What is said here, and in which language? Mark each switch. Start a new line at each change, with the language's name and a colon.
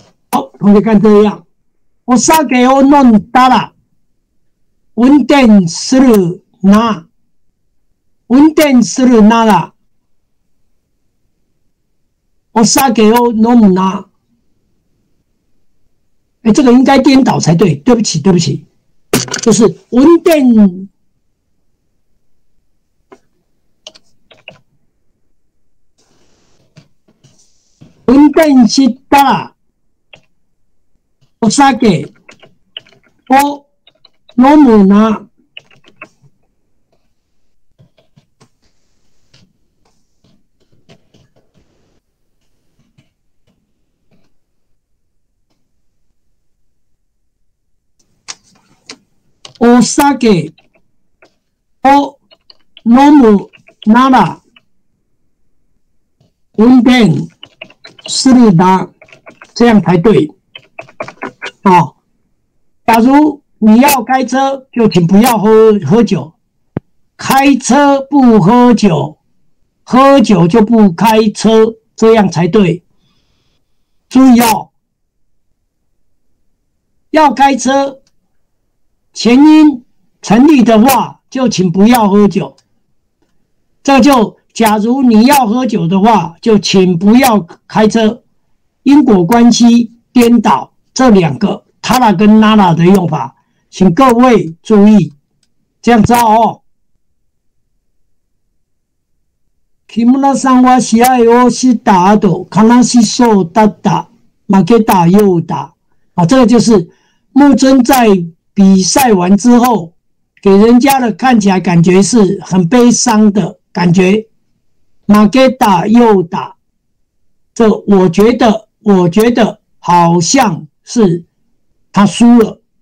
Chinese: 同学看这样，
Japanese: お酒を飲んだら、運転するな、運転するなら、お酒を飲むな。
Chinese: 欸，这个应该颠倒才对，对不起，对不起，就是運転。
Japanese: 運転したら、お酒を飲むな。お酒を飲むなら、運転するな。
Chinese: 这样才对。哦，假如你要开车就请不要 喝酒，开车不喝酒，喝酒就不开车，这样才对。注意哦，要开车，前因成立的话，就请不要喝酒。这就假如你要喝酒的话，就请不要开车。因果关系颠倒，这两个他拉跟拉拉的用法，请各位注意，这样子哦。
Japanese: キムラさんは試合をした後、悲しそうだった。負けたようだ。
Chinese: 啊，这个就是木村在比赛完之后，给人家的看起来感觉是很悲伤的感觉。
Japanese: 負けたようだ。
Chinese: 这我觉得好像是他输了。